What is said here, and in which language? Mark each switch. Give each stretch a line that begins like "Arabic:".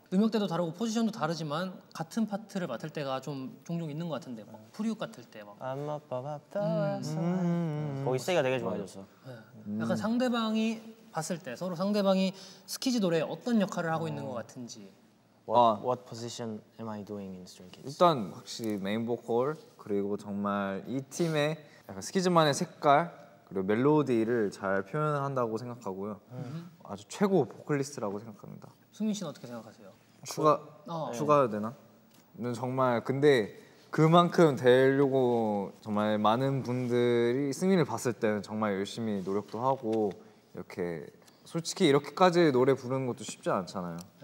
Korean: 음역대도 다르고 포지션도 다르지만 같은 파트를 맡을 때가 좀 종종 있는 것 같은데 막 프리우 같을 때 막 거기 세이가 되게 좋아졌어. 약간 상대방이 봤을 때 서로 상대방이 스키즈 노래에 어떤 역할을 하고 있는 것 같은지.
English: What position am I doing in Stray Kids?
Korean: 일단 확실히 메인 보컬 그리고 정말 이 팀의 약간 스키즈만의 색깔. 그리고 멜로디를 잘 표현한다고 생각하고요. 아주 최고 보컬리스트라고 생각합니다. 승민 씨는 어떻게 생각하세요? 추가해야 되나? 는 정말 근데 그만큼 되려고 정말 많은 분들이 승민을 봤을 때는 정말 열심히 노력도 하고 이렇게 솔직히 이렇게까지 노래 부르는 것도 쉽지 않잖아요.